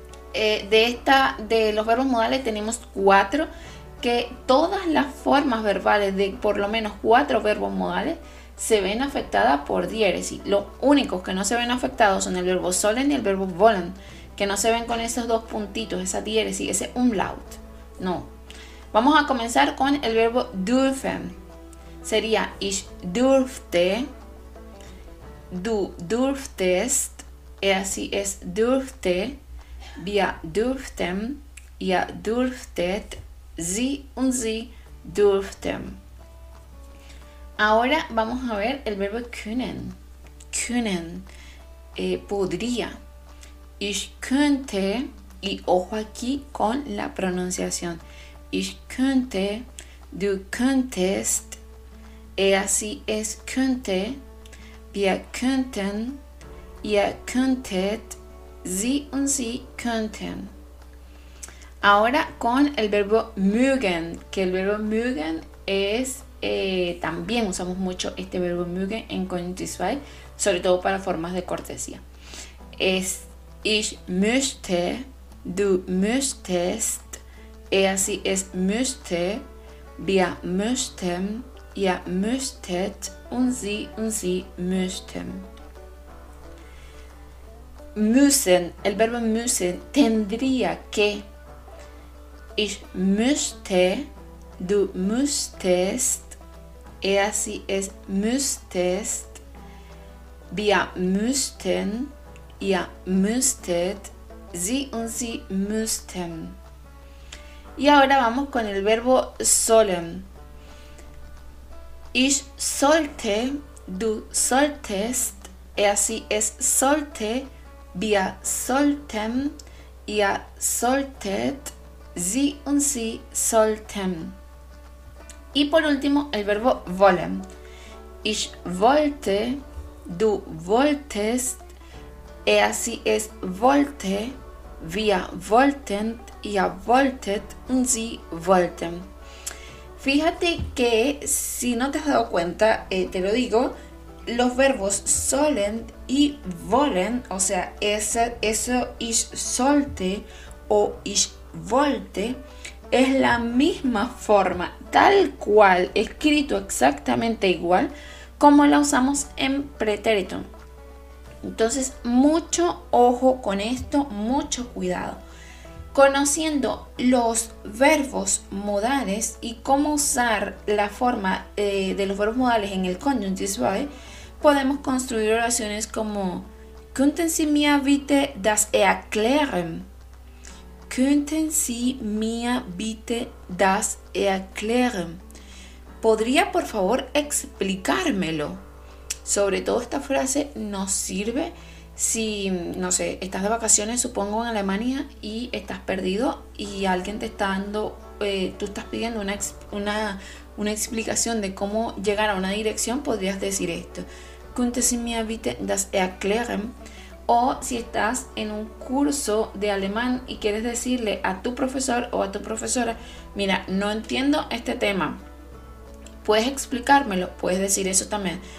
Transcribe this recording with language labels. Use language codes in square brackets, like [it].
[es] De los verbos modales tenemos cuatro, que todas las formas verbales de por lo menos cuatro verbos modales se ven afectadas por diéresis. Los únicos que no se ven afectados son el verbo sollen y el verbo wollen, que no se ven con esos dos puntitos, esa diéresis, ese umlaut. No. Vamos a comenzar con el verbo dürfen. [de] Sería ich dürfte, du dürftest, er sie es dürfte, wir dürften, ihr dürftet, sie und sie dürften. [es] Ahora vamos a ver el verbo können. Können, podría. [de] Ich könnte, [es] y ojo aquí con la pronunciación. [de] Ich könnte, du könntest, er sie es könnte, wir könnten, ihr könntet, sie und sie könnten. [es] Ahora con el verbo mögen, que el verbo mögen es, también usamos mucho este verbo mögen en Konjunktivzwei, sobre todo para formas de cortesía. [de] Es ich möchte, du möchtest, er sie es möchte, wir möchten, ihr möchtet, und sie möchten. [es] Müssen, el verbo müssen, tendría que. [de] Ich möchte, du müsstest, er sie es müsstest, wir müssten, ihr müsstet, sie und sie müssten. [es] Y ahora vamos con el verbo sollen. [de] Ich sollte, du solltest, er sie es sollte, wir sollten, ihr solltet, sie und sie sollten. [es] Y por último, el verbo wollen. [de] Ich wollte, du wolltest, er sie es wollte, wir wollten, ihr wolltet und sie wollten. [es] Fíjate que, si no te has dado cuenta, te lo digo, los verbos sollen y wollen, o sea, eso [de] ich sollte [es] o [de] ich wollte, [es] es la misma forma, tal cual, escrito exactamente igual, como la usamos en pretérito. Entonces, mucho ojo con esto, mucho cuidado. Conociendo los verbos modales y cómo usar la forma de los verbos modales en el Konjunktivzwei, podemos construir oraciones como [de] Könnten Sie mir bitte das erklären? Könnten Sie mir bitte das erklären? [es] ¿Podría por favor explicármelo? Sobre todo esta frase nos sirve si, no sé, estás de vacaciones, supongo, en Alemania y estás perdido y alguien te está dando, tú estás pidiendo una explicación de cómo llegar a una dirección, podrías decir esto. [de] Könnten Sie mir bitte das erklären? [es] O si estás en un curso de alemán y quieres decirle a tu profesor o a tu profesora, mira, no entiendo este tema, ¿puedes explicármelo? Puedes decir eso también.